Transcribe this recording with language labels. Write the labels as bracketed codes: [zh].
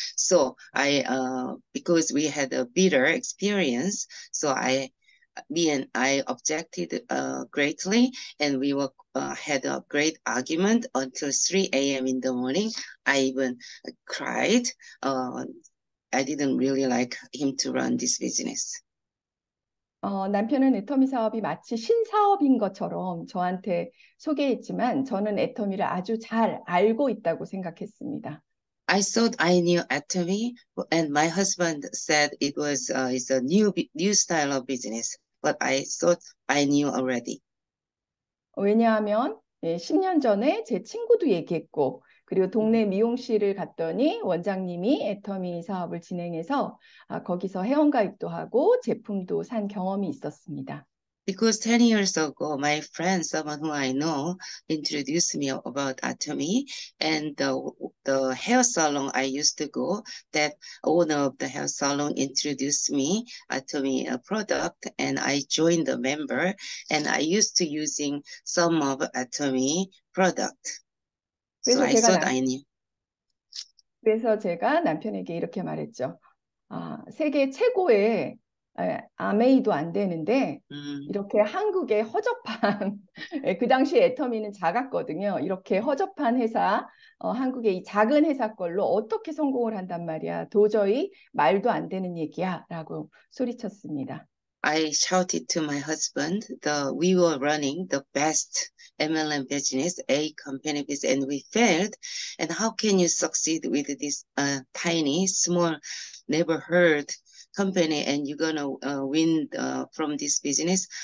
[en] So I because we had a bitter experience, so I me and I objected greatly, and we were had a great argument until 3 a.m. in the morning. I even cried. I didn't really like him to run this business. [ko] 남편은 애터미 사업이 마치 신사업인 것처럼 저한테 소개했지만 저는 애터미를 아주 잘 알고 있다고 생각했습니다. [en] I thought I knew Atomy, and my husband said it's a new style of business, but I thought I knew already. [ko] 왜냐하면 10년 전에 제 친구도 얘기했고 그리고 동네 미용실을 갔더니 원장님이 애터미 사업을 진행해서 거기서 회원가입도 하고 제품도 산 경험이 있었습니다. [en] Because 10 years ago, my friend, someone who I know, introduced me about Atomy and the hair salon I used to go. That owner of the hair salon introduced me Atomy product, and I joined the member. And I used to using some of Atomy product, so I thought I knew. [ko] 그래서 제가 남편에게 이렇게 말했죠. 세계 최고의 아메이도 안 되는데 이렇게 한국의 허접한 그 당시 애터미는 작았거든요. 이렇게 허접한 회사, 한국의 이 작은 회사 걸로 어떻게 성공을 한단 말이야. 도저히 말도 안 되는 얘기야라고 소리쳤습니다. [en] I shouted to my husband that we were running the best MLM business, A company business, and we failed. And how can you succeed with this tiny, small, never heard company, and you're gonna win from this business?